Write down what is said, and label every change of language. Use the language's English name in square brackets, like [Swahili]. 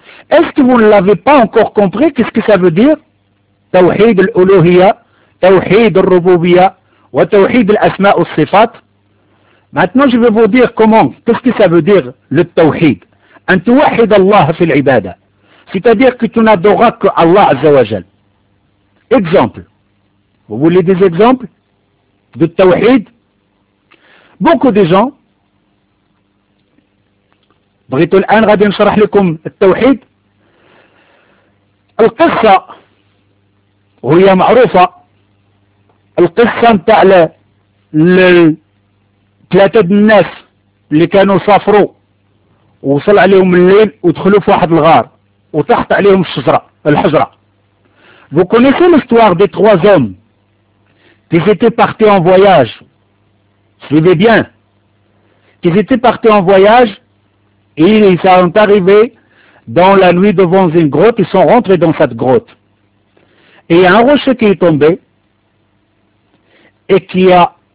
[French] Est-ce que vous ne l'avez pas encore compris qu'est-ce que ça veut dire? Tawhid al-uluhiyya, tawhid al-rububiyya wa tawhid al-asma al-sifat. Maintenant je vais vous dire comment, qu'est-ce que ça veut dire le tawhid? [Arabic] An tuwahid Allah fil ibada. [French] C'est-à-dire que tu n'adoras que Allah Azza wa Jal. Exemple. Vous voulez des exemples? De tawhid. Beaucoup de gens, [Arabic] بغيتو الان غادي نشرح لكم التوحيد. القصه وهي معروفة القصة نتاع ثلاثة الناس اللي كانوا سافروا وصل عليهم الليل ودخلوا في واحد الغار وتحت عليهم الشجرة الحجرة. [French] Vous connaissez l'histoire des trois hommes qui étaient partis en voyage. Suivez bien. Ils étaient partis en voyage et ils sont arrivés dans la nuit devant une grotte. Ils sont rentrés dans cette grotte. Et un rocher qui est tombé et qui a...